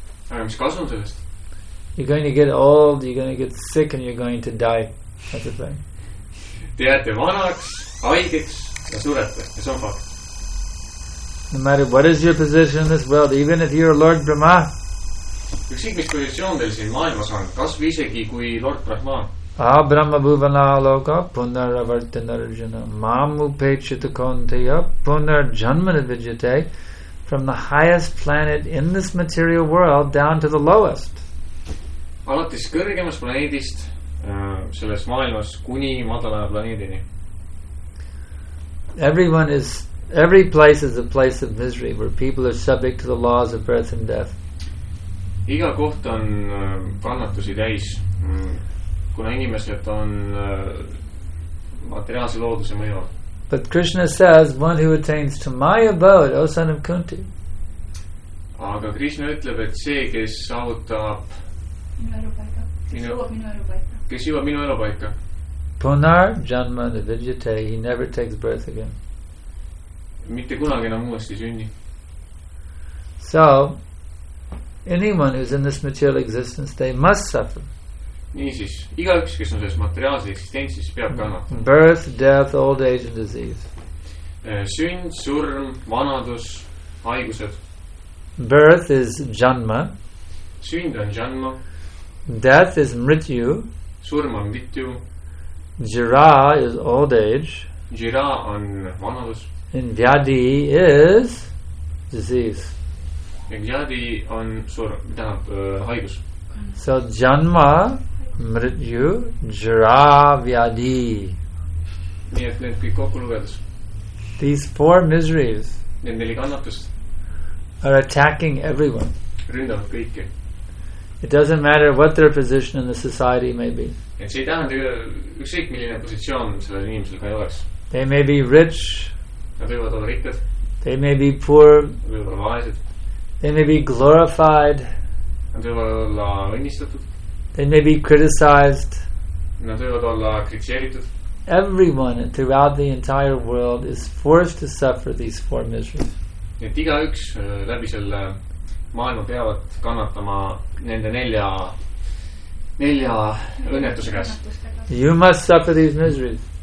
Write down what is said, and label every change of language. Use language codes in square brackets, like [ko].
[et] Aga mis kasu on sellest? [en] You're going to get old, you're going to get sick and you're going to die. That's the thing. [et] Te jääte vanaks, haigeks ja surete. Ja see on fakt. [en] No matter what is your position in this world, even if you're Lord Brahma. [et] Ükskõik mis positsioon teil siin maailmas on, kas või isegi kui Lord Brahma. [sa] Ah Brahma Bhuvana Loka Punaravartan Arjuna Mam Upechita Kaunteya Punarjanmanavijate [en] from the highest planet in this material world down to the lowest. [et] Alates kõrgemas planeedist selles maailmas kuni madalama planeedini. [en] Every place is a place of misery where people are subject to the laws of birth and death. [et] Iga koht on kannatusi täis. Kuna inimesed on materiaalse looduse mõju. [en] But Krishna says, one who attains to my abode, O son of Kunti. [et] Aga Krishna ütleb, et see, kes saavutab minu elupaika. [sa] Punar janma nivijate, [en] he never takes birth again. [et] Mitte kunagi enam uuesti sünni. [en] So, anyone who's in this material existence, they must suffer. [et] Niisiis, igaüks, kes on selles materiaalse eksistentsis, peab kannatama. [en] Birth, death, old age and disease. [et] Sünd, surm, vanadus, haigused. [en] Birth is janma. [et] Sünd on janma. [en] Death is mrityu. [et] Surm on mrityu. [en] Jira is old age. [et] Jira on vanadus. [en] And vyadi is disease. [et] And vyadi on surm, tähendab haigus. [sa] So janma, mrityu, jara, vyadi. [et] Nii et need kõik kokku lugedus. [en] These four miseries [et] need neli kannatust [en] are attacking everyone. [et] Ründavad kõike. [en] It doesn't matter what their position in the society may be. [et] Et see ei tähenda ükskõik milline positsioon sellel inimesel ka ei oleks. [en] They may be rich. [et] Nad võivad olla rikkad. [en] They may be poor. [et] Nad võivad olla vaesed. [en] They may be glorified. [et] Nad võivad olla õnnistatud. [en] They may be criticized. [et] Nad võivad olla kritiseeritud. [en] Everyone throughout the entire world is forced to suffer these four miseries. [et] Et igaüks läbi selle maailma peavad kannatama nende nelja õnnetuse käes. [en] You must suffer these miseries.